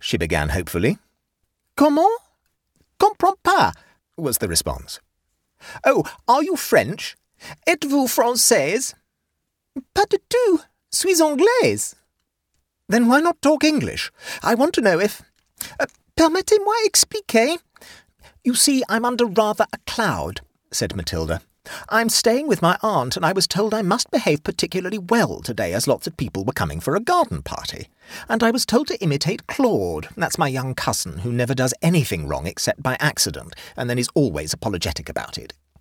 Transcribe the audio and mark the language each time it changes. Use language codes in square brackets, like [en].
[en] she began hopefully. [fr] "Comment? Comprends pas," [en] was the response. "Oh, are you French? [fr] Êtes-vous française?" "Pas du tout. Suis anglaise." [en] "Then why not talk English? I want to know if..." [fr] Permettez-moi expliquer. [en] "You see, I'm under rather a cloud," said Matilda. "I'm staying with my aunt, and I was told I must behave particularly well today, as lots of people were coming for a garden party. And I was told to imitate Claude, that's my young cousin, who never does anything wrong except by accident, and then is always apologetic about it.